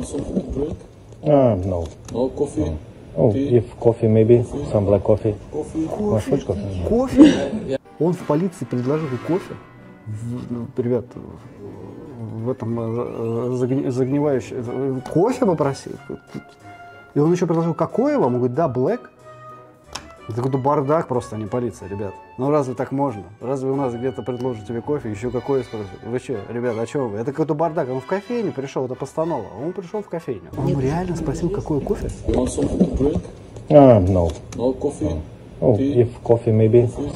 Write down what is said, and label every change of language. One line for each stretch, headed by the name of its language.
English: Want something to drink? No. No coffee? No. Oh, if coffee maybe, coffee. Some black coffee.
Russian: Кофе? Он в полиции предложил кофе? Ребят, в этом загнивающем... Кофе попросил? И он еще предложил, какое вам? Он говорит, да, black. Это какой-то бардак просто, а не полиция, ребят. Ну разве так можно? Разве у нас где-то предложат тебе кофе, еще какое спросят? Вы что, ребят, о чем вы? Это какой-то бардак. Он в кофейню пришел, это постанова. Он пришел в кофейню. Он реально спросил, какое кофе?
English: You want something to drink? No. No coffee? No. Oh, if coffee maybe, coffee.